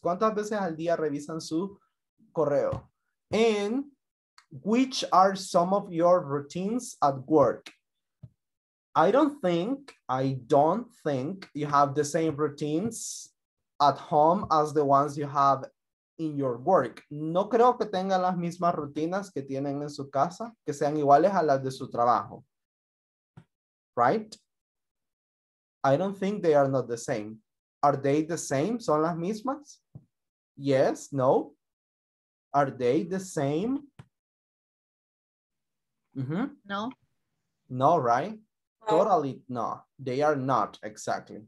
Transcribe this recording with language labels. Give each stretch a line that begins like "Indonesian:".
Spanish: ¿Cuántas veces al día revisan su correo?
English: And which are some of your routines at work? I don't think you have the same routines at home as the ones you have in your work.
Spanish: No creo que tengan las mismas rutinas que tienen en su casa, que sean iguales a las de su trabajo.
English: Right? I don't think they are not the same. Are they the same?
Spanish: ¿Son las mismas?
English: Yes, no. Are they the same? Mm-hmm. No. No, right? Totally no, they are not exactly.